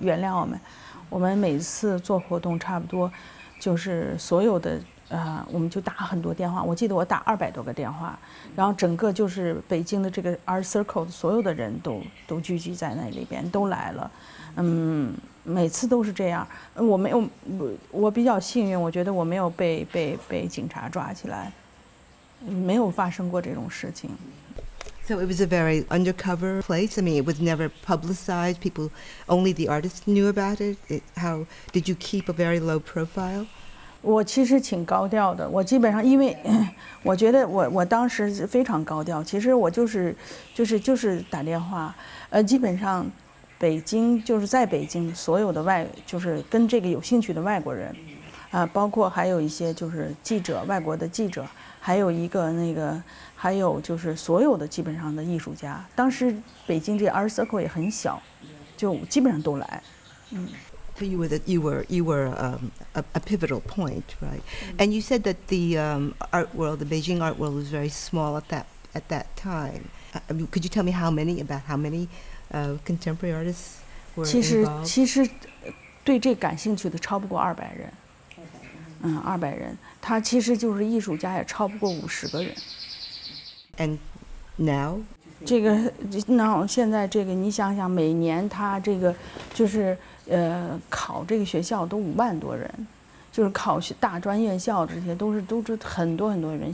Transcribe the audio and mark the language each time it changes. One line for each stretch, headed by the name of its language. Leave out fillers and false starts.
English: I think
Chinese: 是这样的。然后我们都，可是我们比较幸运，我们每次做活动就是在我们把我们家里，因为我们家有一个四合院，当时还有一家人，就是文化大革命进去的一家人，还跟我们住一块儿，但是他还就是比较原谅我们。我们每次做活动，差不多。就是所有的，我们就打很多电话，我记得我打200多个电话，然后整个就是北京的这个 Art Circle 所有的人都聚集在那里边，都来了，每次都是这样，我比较幸运，我觉得我没有被警察抓起来，没有发生过这种事情。
English: So it was a very undercover place. I mean, it was never publicized. People, only the artists knew about it. How did you keep a very low profile?
Chinese: 我其实挺高调的。我基本上，因为我觉得我当时非常高调。其实我就是打电话，基本上北京就是在北京所有的外就是跟这个有兴趣的外国人，包括还有一些就是记者，外国的记者。还有一个那个，还有就是所有的基本上的艺术家，当时北京这 Art Circle 也很小，就基本上都来。
English: So you were a pivotal point, right? Mm-hmm. And you said that the art world, the Beijing art world, was very small at that time. Could you tell me how many contemporary artists were involved?
Chinese: 其实对这感兴趣的超不过200人。 200人。他其实就是艺术家也超不过50个人。
English: And now?
Chinese: 这个 now 现在这个 你想想 每年他这个 就是 考这个学校都5万多人， 就是考大专院校这些都是很多很多人。